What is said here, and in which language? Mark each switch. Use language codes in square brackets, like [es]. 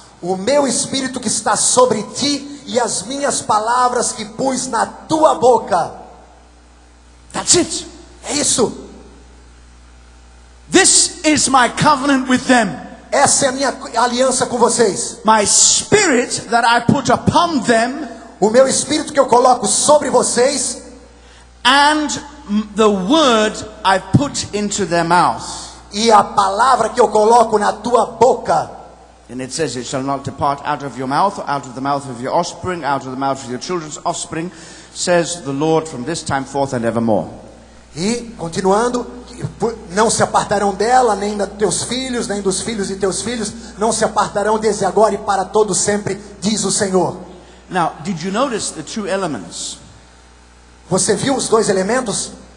[pt] O meu espírito que está sobre ti e as minhas palavras que pus na tua boca. [en] That's it. [pt] É isso. [en] This is my covenant with them. [pt] Essa é a minha aliança com vocês. [en] My spirit that I put upon them. [pt] O meu espírito que eu coloco sobre vocês. [en] And the word I put into their mouth. [pt] E a palavra que eu coloco na tua boca. [en] And it says, it shall not depart out of your mouth, or out of the mouth of your offspring, out of the mouth of your children's offspring, says the Lord, from this time forth and evermore. [pt] E continuando, não se apartarão dela, nem dos teus filhos, nem dos filhos de teus filhos, não se apartarão desde agora e para todo sempre, diz o Senhor. [en] Now, did you notice the two elements? [pt] Você viu os dois elementos?